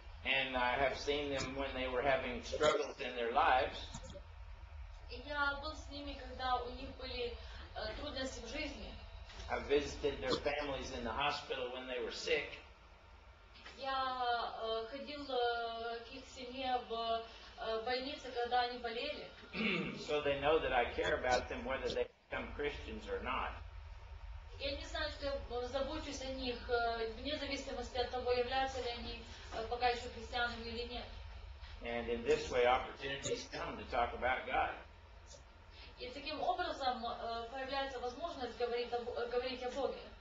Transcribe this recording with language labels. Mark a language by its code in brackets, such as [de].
[en] And I have seen them when they were having struggles in their lives. [ru] Я был с ними, когда у них были трудности в жизни. [en] I visited their families in the hospital when they were sick. [ru] Я ходил к их семье в больнице, когда они болели. [en] So they know that I care about them whether they become Christians or not. [ru] Я не знаю, что я забочусь о них, вне зависимости от того, являются ли они пока еще христианами или нет. [en] And in this way, opportunities come to talk about God. [ru] И таким образом появляется возможность говорить о Боге.